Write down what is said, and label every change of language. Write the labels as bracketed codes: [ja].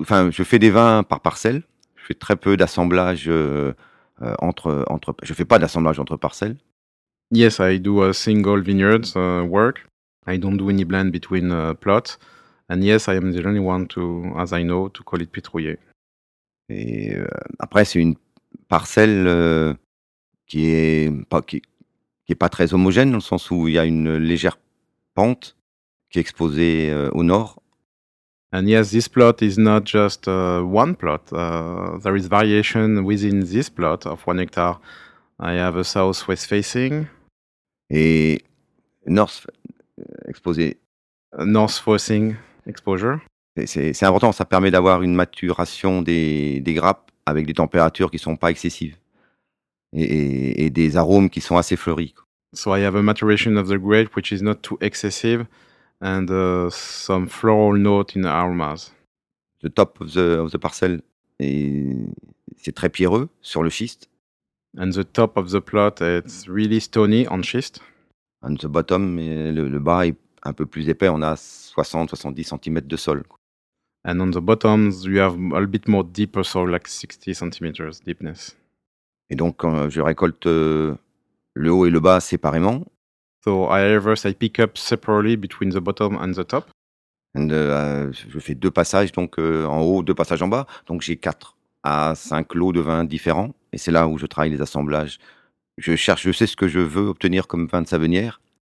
[fr] Enfin, je fais des vins par parcelle. Je fais très peu d'assemblage entre. Je fais pas d'assemblage entre parcelles. [en] Yes, I do a single vineyard work. I don't do any blend between plots. And yes, I am the only one to, as I know, to call it Pitroulet. [fr] Et après, c'est une parcelle qui est pas très homogène dans le sens où il y a une légère pente qui est exposée au nord. [en] And yes, this plot is not just one plot. There is variation within this plot of 1 hectare. I have a southwest facing. [fr] Et north exposé. [en] North facing exposure. [fr] C'est important, ça permet d'avoir une maturation des grappes avec des températures qui ne sont pas excessives et des arômes qui sont assez fleuris. [en] So I have a maturation of the grape which is not too excessive and some floral note in the aromas. The top of the parcel, [fr] c'est très pierreux sur le schiste. [en] And the top of the plot, it's really stony on schist. And the bottom, [fr] le bas est un peu plus épais, on a 60-70 cm de sol. [en] And on the bottoms, you have a little bit more deeper soil, like 60 cm deepness. [fr] Et donc, je récolte le haut et le bas séparément. [en] So I harvest, I pick up separately between the bottom and the top. [fr] And je fais 2 passages, donc en haut, 2 passages en bas. Donc j'ai 4 à 5 lots de vins différents. Et c'est là où je travaille les assemblages. Je sais ce que je veux obtenir comme vin de Savennières.